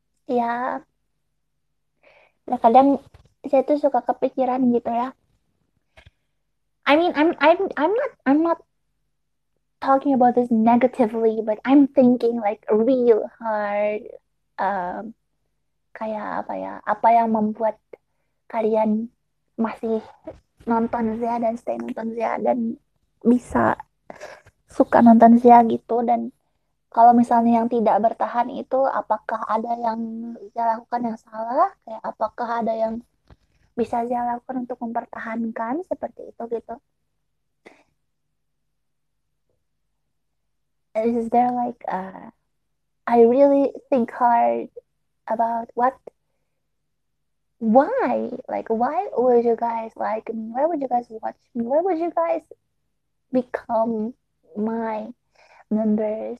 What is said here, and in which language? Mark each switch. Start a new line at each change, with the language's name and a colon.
Indonesian: Yeah. Nah, kadang saya tuh suka kepikiran gitu ya.
English: I mean, I'm not talking about this negatively, but I'm thinking like real hard.
Indonesian: Kayak apa ya? Apa yang membuat kalian masih nonton Zia dan stay nonton Zia dan bisa suka nonton Zia gitu? Dan kalau misalnya yang tidak bertahan itu, apakah ada yang Zia lakukan yang salah? Kayak apakah ada yang bisa Zia lakukan untuk mempertahankan seperti itu gitu?
English: Is there like I really think hard about what? Why? Like, why would you guys like me? Why would you guys watch me? Why would you guys become my members?